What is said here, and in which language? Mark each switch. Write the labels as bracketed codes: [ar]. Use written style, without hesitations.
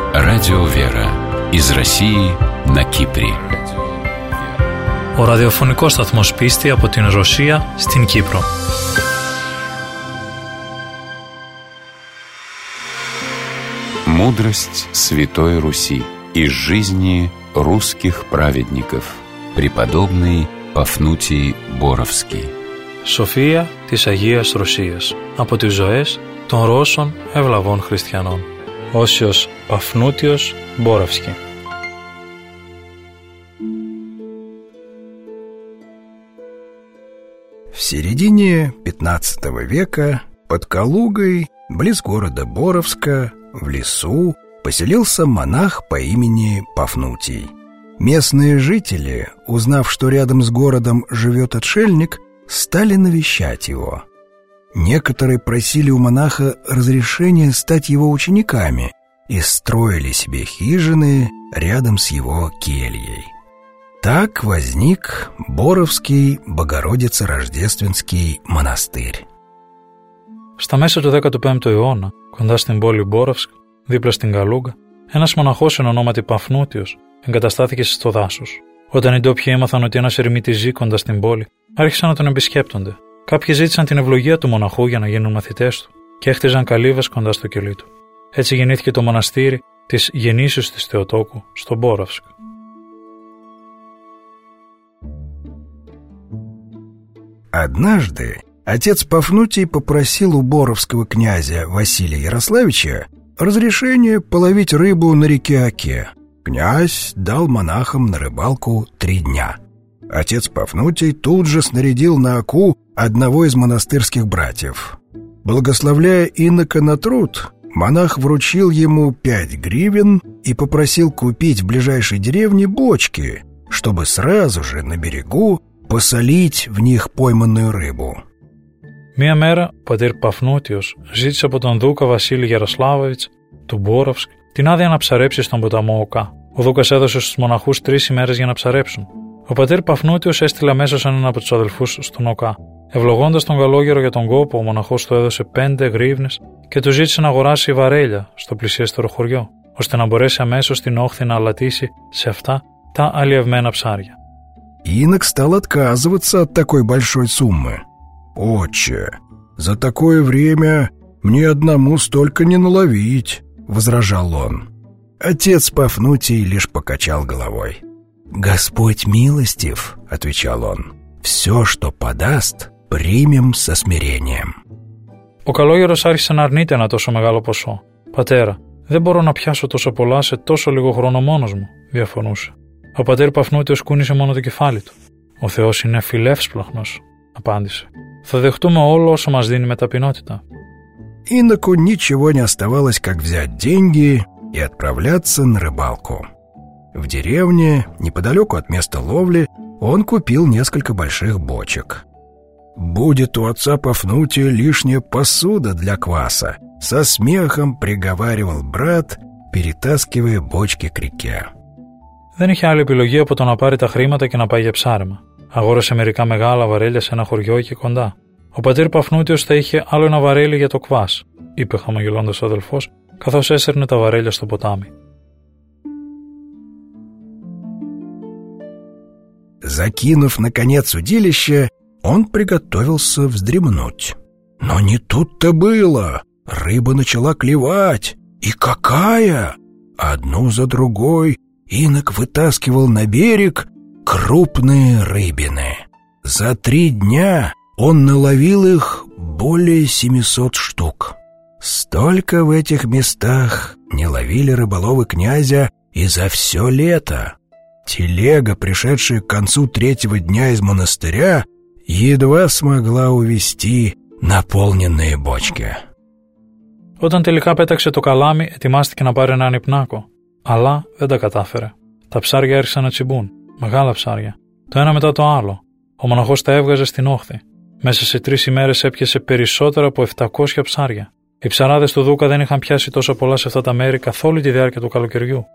[ru] Радио Вера из России на Кипре. [el] Ο ραδιοφωνικός σταθμός πίστη από την Ρωσία στην Κύπρο. [ru] Мудрость Святой Руси из жизни русских праведников. Преподобный Пафнутий Боровский. [el] София της Αγίας Ρωσίας από τις ζωές των Ρώσων ευλαβών χριστιανών. Όσιος Παφνούτιος Μπόραυσκι. [ru] В середине 15 века под Калугой, близ города Боровска, в лесу поселился монах по имени Пафнутий. Местные жители, узнав, что рядом с городом живет отшельник, стали навещать его. Некоторые просили у монаха разрешения стать его учениками и строили себе хижины рядом с его кельей. Так возник Боровский Богородице-Рождественский монастырь. [el] Στα μέσα του 15ου αιώνα, κοντά στην πόλη Μπόροφσκ, δίπλα στην Καλούγκα, ένας μοναχός εν ονόματι Παφνούτιος εγκαταστάθηκε στο δάσος. Όταν οι ντόπιοι έμαθαν ότι ένας ερημίτης ζει κοντά στην πόλη, άρχισαν να τον επισκέπτονται. Κάποιοι ζήτησαν την ευλογία του μοναχού για να γίνουν μαθητές του και έχτιζαν καλύβες κοντά στο κελί του. Έτσι γεννήθηκε το μοναστήρι της γεννήσεως της Θεοτόκου στο Μπόραυσκ. [ru] Однажды отец Пафнутий попросил у боровского князя Василия Ярославича разрешение половить рыбу на реке Оке. Князь дал монахам на рыбалку 3 дня. Отец Пафнутий тут же снарядил на Оку одного из монастырских братьев. Благословляя инока на труд, монах вручил ему 5 гривен и попросил купить в ближайшей деревне бочки, чтобы сразу же на берегу посолить в них пойманную рыбу. [el] Μία μέρα, πατήρ Παφνούτιος ζήτησε από τον Δούκα Βασίλη Γεραславόβιτς του Μπόραυσκ την άδεια να ψαρέψει στον ποταμό Οκά. Ο Δούκας έδωσε στους μοναχούς 3 ημέρες για να ψαρέψουν. Ο πατήρ Παφνούτιος έστειλε αμέσως έναν από τους αδελφούς στον Οκά. Ευλογώντας τον καλόγερο για τον κόπο, ο μοναχός του έδωσε 5 γρίβνες και του ζήτησε να αγοράσει βαρέλια στο πλησιέστερο χωριό, ώστε να μπορέσει αμέσως την όχθη να αλατήσει σε αυτά τα αλλιευμένα ψάρια. [ru] Инок стал отказываться от такой большой суммы. «Отче, за такое время мне одному столько не наловить», — возражал он. Отец Пафнутий лишь покачал головой. «Господь милостив», — отвечал он, — «все, что подаст, примем со смирением». [el] Ο καλόγερος άρχισε να αρνείται ένα τόσο μεγάλο ποσό. «Πατέρα, δεν μπορώ να πιάσω τόσο πολλά σε τόσο λίγο χρόνο μόνος μου», διαφωνούσε. Ο πατέρ Παφνούτιος κούνησε μόνο το κεφάλι του. «Ο Θεός είναι φιλεύσπλαχνος», απάντησε. «Θα δεχτούμε όλο όσο μας δίνει με ταπεινότητα». [ru] Иноку ничего не оставалось, как взять деньги и отправляться на рыбалку. В деревне, неподалеку от места ловли, он купил несколько больших бочек. «Будет у отца Пафнутия лишняя посуда для кваса», со смехом приговаривал брат, перетаскивая бочки к реке. [el] Δεν είχε άλλη επιλογή από το να πάρει τα χρήματα και να πάει για ψάρεμα. Αγόρασε μερικά μεγάλα βαρέλια σε ένα χωριό εκεί κοντά. «Ο πατήρ Παφνούτιος θα είχε άλλο ένα βαρέλι για το κβάς», είπε χαμογελώντας ο αδελφός, καθώς έσερνε τα βαρέλια στο ποτάμι. [ru] Закинув наконец удилище, он приготовился вздремнуть. Но не тут-то было. Рыба начала клевать. И какая? Одну за другой инок вытаскивал на берег крупные рыбины. За 3 дня он наловил их более 700 штук. Столько в этих местах не ловили рыболовы князя и за все лето. Телега, пришедшая к концу 3-го дня из монастыря, едва смогла увести наполненные бочки. [el] Όταν τελικά πέταξε το καλάμι, ετοιμάστηκε να πάρει έναν υπνάκο. Αλλά δεν τα κατάφερε. Τα ψάρια άρχισαν να τσιμπούν, μεγάλα ψάρια, το ένα μετά το άλλο. Ο μοναχός τα έβγαζε στην όχθη. Μέσα σε 3 ημέρες έπιασε περισσότερα από 700 ψάρια. Οι ψαράδες του Δούκα δεν είχαν πιάσει τόσο πολλά σε αυτά τα μέρη καθ' όλη τη διάρκεια του καλοκαιριού.